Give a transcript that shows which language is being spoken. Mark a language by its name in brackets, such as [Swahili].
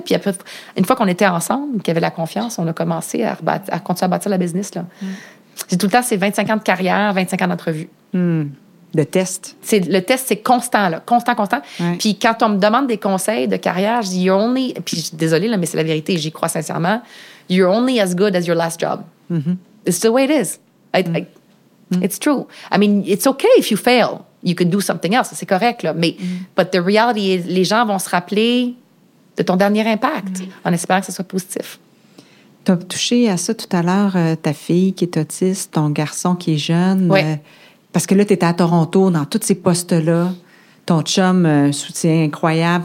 [French] Puis après, une fois qu'on était ensemble, qu'il y avait la confiance, on a commencé à continuer à bâtir la business, là. C'est tout le temps, c'est 25 ans de carrière, 25 ans d'entrevue. Le test. Le test, c'est constant, là. Constant. Ouais. Puis quand on me demande des conseils de carrière, je dis, désolée, là, mais c'est la vérité, j'y crois sincèrement. [English] You're only as good as your last job. Mm-hmm. It's the way it is. It's true. I mean, it's okay if you fail. You can do something else. [French] C'est correct, là. Mais, [English] but the reality is, [French] les gens vont se rappeler de ton dernier impact en espérant que ce soit positif. Tu as touché à ça tout à l'heure, ta fille qui est autiste, ton garçon qui est jeune. Oui. Parce que là, tu étais à Toronto, dans tous ces postes-là. Ton chum, soutien incroyable.